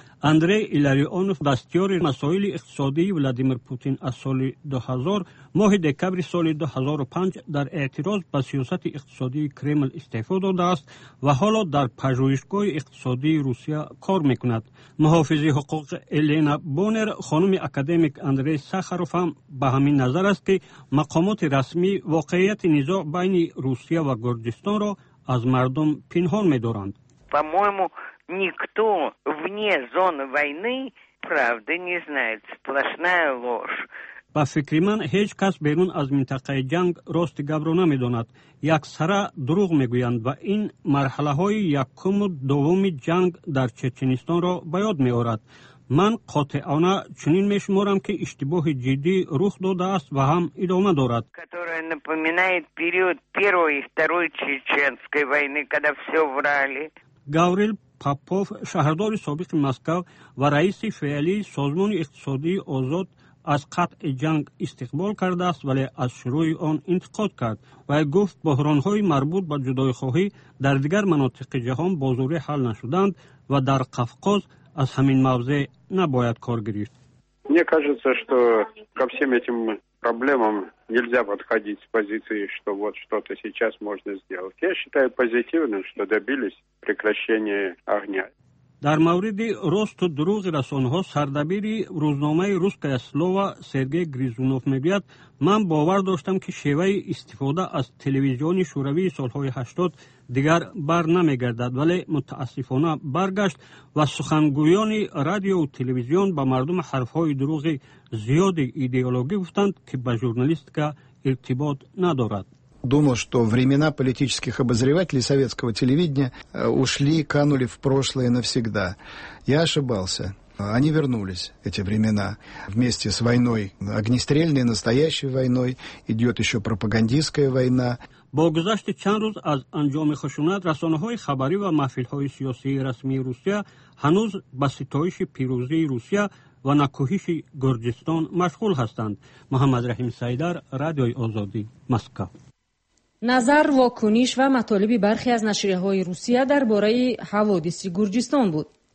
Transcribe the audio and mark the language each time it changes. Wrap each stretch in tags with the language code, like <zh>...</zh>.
<fa>اندری ایلاریانوف دستیار مسائل اقتصادی ولادیمیر پوتین از سال 2000 ماه دکبر سال 2005 در اعتراض به سیاست اقتصادی کرمل استعفا داده است و حالا در پژوهشگاه اقتصادی روسیه کار میکند. محافظ حقوق الینا بونر خانم اکادمیک اندری ساخاروف هم به همین نظر است که مقامات رسمی واقعیت نزاع بین روسیه و گرجستان را از مردم پنهان میدارند.</fa> <ru>по-моему никто вне зоны войны правды не знает, сплошная ложь.</ru> <fa>به فکر من هیچ کس بیرون از منطقه جنگ راست گپ را نمی‌داند. یک سره دروغ می‌گویند و این مرحله های یکم و دوم جنگ در چچنستان را بیاد می‌آورد. من قاطعانه چنین می‌شمارم که اشتباه جدی رخ داده است و هم ادامه دارد.</fa> <ru>которая напоминает период первой и второй чеченской войны, когда всё врали.</ru> <fa>گاوریل پاپوف شهردار سابق مسکو و رئیس فعلی سازمان اقتصادی آزاد از قطع جنگ استقبال کرده است ولی از شروع آن انتقاد کرد و گفت بحران‌های مربوط به جدایی‌خواهی در دیگر مناطق جهان بازوری حل نشدند و در قفقاز از همین موضع نباید کار گرفت.</fa> <ru>Мне кажется, что ко всем этим проблемам нельзя подходить с позиции, что вот что-то сейчас можно сделать. Я считаю позитивным, что добились прекращения огня.</ru> <fa>در مورد راست و دروغ رسانه‌ها سردبیر روزنامه روسکای سلووا سرگئی گریزونوف میگوید من باور داشتم که شیوه استفاده از تلویزیون شوروی سالهای 80 دیگر بر نمیگردد ولی متاسفانه برگشت و سخنگویان رادیو و تلویزیون به مردم حرفهای دروغ زیاد ایدئولوژی گفتند که به ژورنالیستیکا ارتباط ندارد.</fa> <ru>Думал, что времена политических обозревателей советского телевидения ушли, канули в прошлое навсегда. Я ошибался. Они вернулись, эти времена. Вместе с войной огнестрельной, настоящей войной, идет еще пропагандистская война.</ru> <tg>Бо гузашти чанд руз аз анҷоми хушунат, расонаҳои хабарӣ ва маҳфилҳои сиёсии расмии Русия ҳанӯз ба ситоиши пирӯзии Русия ва накӯҳиши Гурҷистон машғул ҳастанд. Муҳаммад Раҳим Сайдар, Радиои Озодӣ, Москва.</tg> <fa>نظر و کنیش و مطالبی برخی از نشریه‌های روسیه درباره حوادث گرجستان بود.</fa>